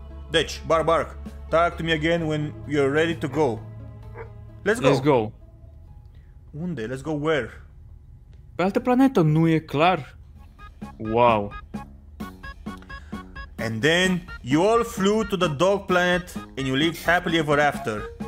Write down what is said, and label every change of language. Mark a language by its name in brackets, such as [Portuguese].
[English] Deci, Barbark, talk to me again when you're ready to go. Let's go. Unde? Let's go where? [Romanian] Pe altă planetă, nu e clar? [English] Wow. And then you all flew to the dog planet and you lived happily ever after.